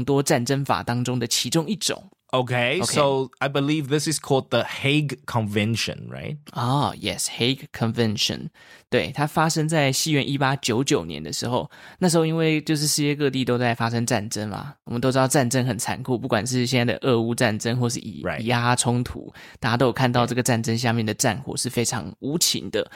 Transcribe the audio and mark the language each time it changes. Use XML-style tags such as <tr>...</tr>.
<zh>其实举白旗视为是投降这件事情其实很久以前就存在了。但实际上把它规范到所谓战争法或者是全球的这种国际公约里面，要追溯到有一个公约叫海牙公约，它是众多战争法当中的其中一种。</zh> <en>Okay, so I believe this is called the Hague Convention, right? Oh, yes, Hague Convention.</en> <zh>对, 它发生在西元1899年的时候, 那时候因为就是世界各地都在发生战争嘛, 我们都知道战争很残酷, 不管是现在的俄乌战争或是以牙冲突,</zh> <en>right.</en> <zh>大家都有看到这个战争下面的战火是非常无情的。</zh>